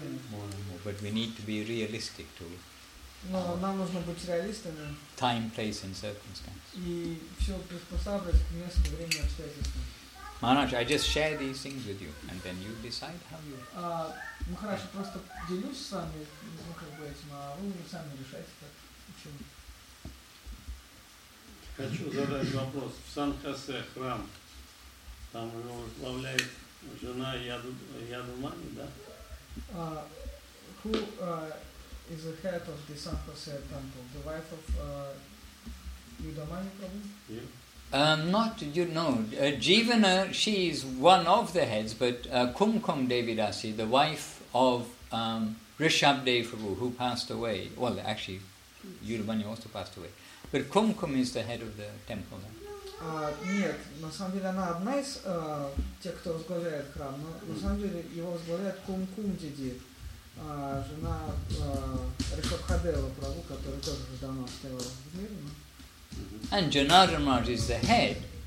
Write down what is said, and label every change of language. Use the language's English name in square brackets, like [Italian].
[English] more and more. But we need to be realistic too. [Russian] No, нам нужно быть реалистами. [English] Time, place, and circumstance. [Russian] И все приспосабливать к месту, времени, обстоятельствам. [English] Maharaj, I just share these things with you, and then you decide how you. [Russian] Ну хорошо, просто делюсь с вами, ну как бы этим, а вы сами решайте, как чем. Хочу задать вопрос. В Сан-Хосе храм. Там его возглавляет жена Ядумани, да? [English] Who is the head of the San Jose temple? The wife of Yudhamani, probably? Yeah. Jivana, she is one of the heads, but Kumkum Devidasi, the wife of Rishabdev Prabhu, who passed away. Well, actually, Yudhamani also passed away. But Kumkum is the head of the temple, right? [Russian] Нет, на самом деле она одна из тех, кто возглавляет храм, но на самом деле его возглавляет Кумкум Диди, жена Ришабхадева Прабу, которая тоже уже давно стояла в мире. Но... [English] And Janardhan Maharaj is the head.